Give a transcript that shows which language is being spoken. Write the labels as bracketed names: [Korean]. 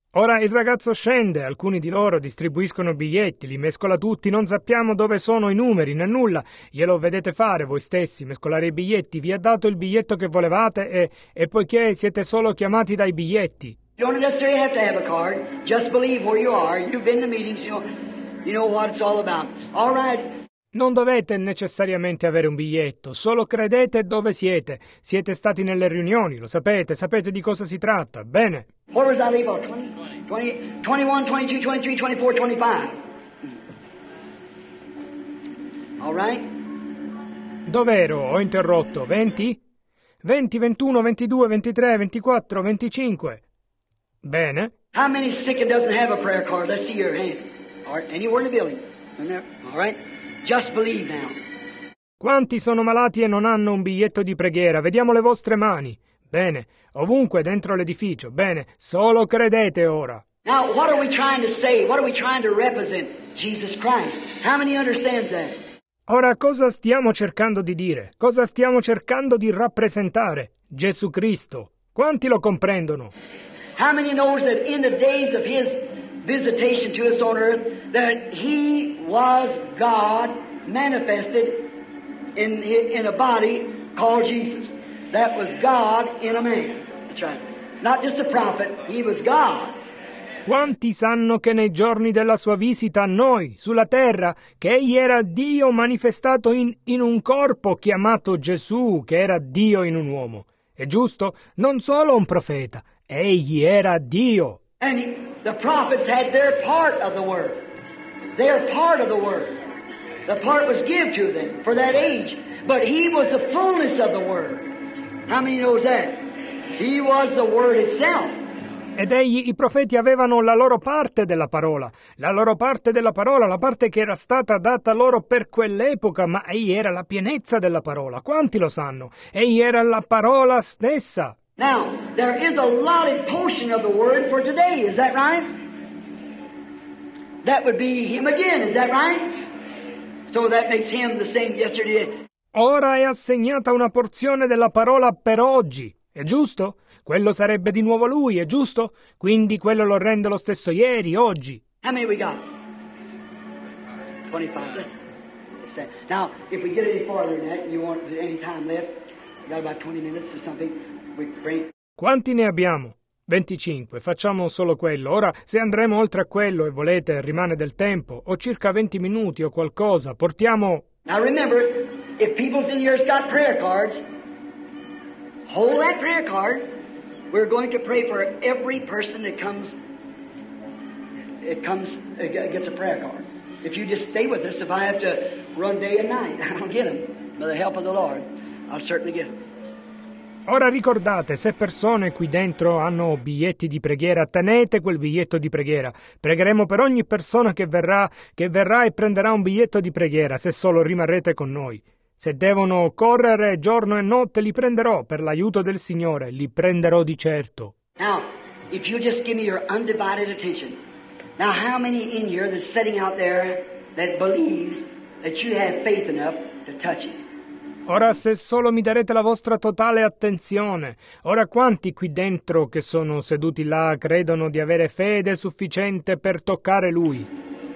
[Italian] Ora il ragazzo scende, alcuni di loro distribuiscono biglietti, li mescola tutti, non sappiamo dove sono i numeri, né nulla. Glielo vedete fare voi stessi, mescolare i biglietti, vi ha dato il biglietto che volevate e poiché siete solo chiamati dai biglietti. [English] You don't necessarily have to have a card, just believe where you are, you've been to meetings, you know what it's all about. All right. [Italian] Non dovete necessariamente avere un biglietto, solo credete dove siete. Siete stati nelle riunioni, lo sapete, sapete di cosa si tratta. Bene. [English] Where was that label? 20, 21, 22, 23, 24, 25. All right. [Italian] Dov'ero? Ho interrotto. 20? 20, 21, 22, 23, 24, 25. Bene. [English] How many sick and doesn't have a prayer card? Let's see your hands. Or anywhere in the building. All right. Just believe now. [Italian] Quanti sono malati e non hanno un biglietto di preghiera? Vediamo le vostre mani. Bene. Ovunque, dentro l'edificio. Bene. Solo credete ora. [English] Now, what are we trying to say? What are we trying to represent? Jesus Christ. How many understands that? [Italian] Ora, cosa stiamo cercando di dire? Cosa stiamo cercando di rappresentare? Gesù Cristo. Quanti lo comprendono? [English] How many knows that in the days of his visitation to us on earth, that he was God manifested in a body called Jesus? That was God in a man. That's right. Not just a prophet, he was God. [Italian] Quanti sanno che nei giorni della sua visita a noi, sulla terra, che egli era Dio manifestato in un corpo chiamato Gesù, che era Dio in un uomo? È giusto? Non solo un profeta, egli era Dio. [English] And the prophets had their part of the word. Their part of the word. The part was given to them for that age. But he was the fullness of the word. How many knows that? He was the word itself. [Italian] Ed egli, i profeti avevano la loro parte della parola, la loro parte della parola, la parte che era stata data loro per quell'epoca, ma egli era la pienezza della parola. Quanti lo sanno? Egli era la parola stessa. [English] Now, there is a lot of portion of the word for today, is that right? That would be him again, is that right? So that makes him the same yesterday. [Italian] Ora è assegnata una porzione della parola per oggi, è giusto? Quello sarebbe di nuovo lui, è giusto? Quindi quello lo rende lo stesso ieri, oggi. [English] How many we got? 25. Now, if we get any farther than that, you want any time left? We got about 20 minutes or something. We bring. [Italian] Quanti ne abbiamo? 25. Facciamo solo quello. Ora, se andremo oltre a quello e volete, rimane del tempo. O circa 20 minuti o qualcosa. Portiamo. [English] Now remember, if people's in yours got prayer cards, hold that prayer card. We're going to pray for every person that comes, gets a prayer card. If you just stay with us, if I have to run day and night, I'll get them. By the help of the Lord, I'll certainly get them. [Italian] Ora ricordate, se persone qui dentro hanno biglietti di preghiera, tenete quel biglietto di preghiera. Pregheremo per ogni persona che verrà e prenderà un biglietto di preghiera, se solo rimarrete con noi. Se devono correre giorno e notte, li prenderò per l'aiuto del Signore, li prenderò di certo. [English] Now, if you just give me your undivided attention. Now, how many in here that's sitting out there that believes that you have faith enough to touch it? [Italian] Ora, se solo mi darete la vostra totale attenzione. Ora, quanti qui dentro che sono seduti là credono di avere fede sufficiente per toccare Lui?